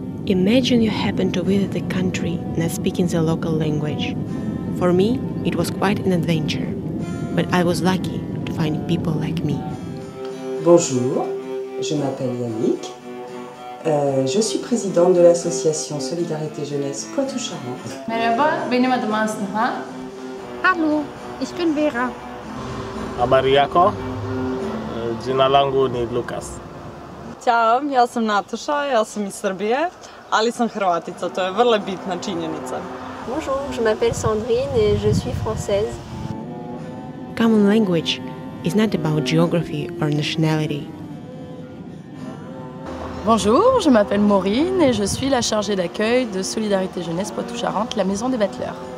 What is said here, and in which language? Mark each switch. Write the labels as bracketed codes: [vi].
[en] Imagine you happen to visit the country not speaking the local language. For me, it was quite an adventure, but I was lucky to find people like me. [fr] Bonjour, je m'appelle Yannick. Je suis présidente de l'association Solidarité Jeunesse Poitou-Charentes. [tr] Merhaba, benim adım Aslıha. [de] Hallo, ich bin Vera. [sw] Habari yako, jina langu ni Lukas. [hr] Ćao, ja sam Natuša, ja sam iz Srbije, ali sam Hrvatica, to je vrlo bitna činjenica. [fr] Bonjour, je m'appelle Sandrine et je suis française. [en] Common language is not about geography or nationality. [fr] Bonjour, je m'appelle Maureen et je suis la chargée d'accueil de Solidarité Jeunesse Poitou-Charentes, la maison des battleurs.